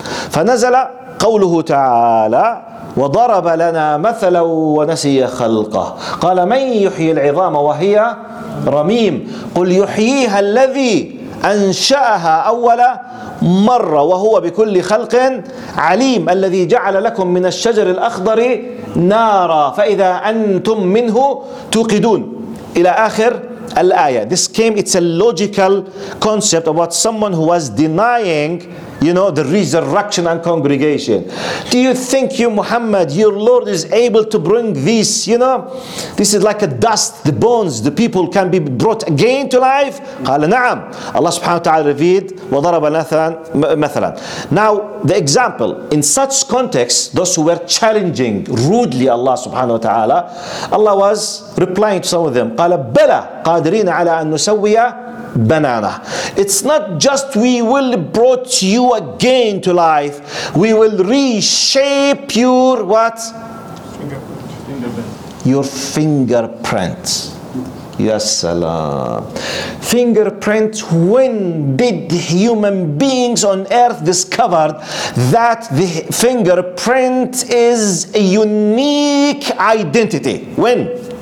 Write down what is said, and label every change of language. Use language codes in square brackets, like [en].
[ar] فنزل قوله تعالى وضرب لنا مثلا ونسي خلقه، قال من يحيي العظام وهي رميم؟ قل يحييها الذي أنشأها أول مرة وهو بكل خلق عليم، الذي جعل لكم من الشجر الأخضر نارا فإذا أنتم منه توقدون، إلى آخر الآية. [en] This came, it's a logical concept about someone who was denying, you know, the resurrection and congregation. Do you think you Muhammad, your Lord is able to bring this, you know, this is like a dust, the bones, the people can be brought again to life? [ar] قال نعم. [en] Allah subhanahu wa ta'ala revealed [ar] وضرب مثلا. [en] Now the example, in such context, those who were challenging rudely Allah subhanahu wa ta'ala, Allah was replying to some of them. [ar] قال بلى قادرين على أن نسوي بنانا. [en] It's not just we will brought you again to life, we will reshape your what? Fingerprint. Your fingerprint. Yes, salam. Fingerprint. When did human beings on earth discover that the fingerprint is a unique identity? When?